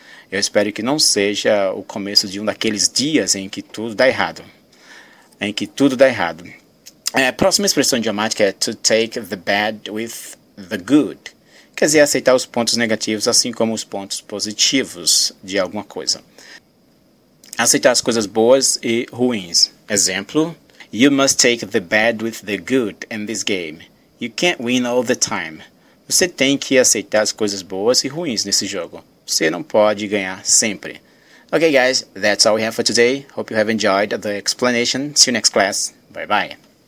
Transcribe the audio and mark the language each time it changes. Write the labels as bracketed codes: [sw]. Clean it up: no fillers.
[pt] Eu espero que não seja o começo de um daqueles dias em que tudo dá errado. Em que tudo dá errado. Próxima expressão idiomática é to take the bad with the good. Quer dizer, aceitar os pontos negativos assim como os pontos positivos de alguma coisa. Aceitar as coisas boas e ruins. [en] Exemplo: You must take the bad with the good in this game. You can't win all the time. [pt] Você tem que aceitar as coisas boas e ruins nesse jogo. Você não pode ganhar sempre. [en] Okay, guys, that's all we have for today. Hope you have enjoyed the explanation. See you next class. Bye-bye.